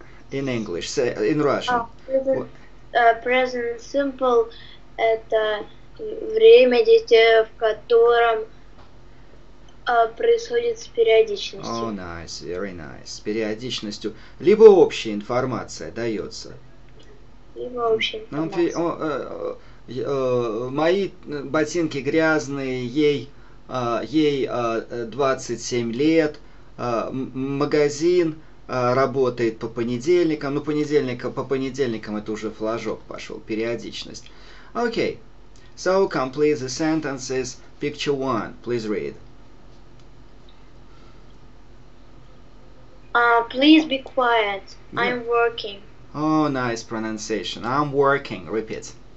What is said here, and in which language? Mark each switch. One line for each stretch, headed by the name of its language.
English: In English, say in Russian.
Russian: Present simple – это время действия, в котором происходит с периодичностью.
English: Oh, nice, very nice.
Russian: С периодичностью. Либо общая информация дается. Либо общая информация. Мои ботинки грязные, ей 27 лет, магазин работает по понедельникам. Ну, по понедельникам это уже флажок пошел, периодичность.
English: Okay, so complete the sentences. Picture one, please read. Please be quiet, yeah. I'm working. Oh, nice pronunciation, I'm working, repeat.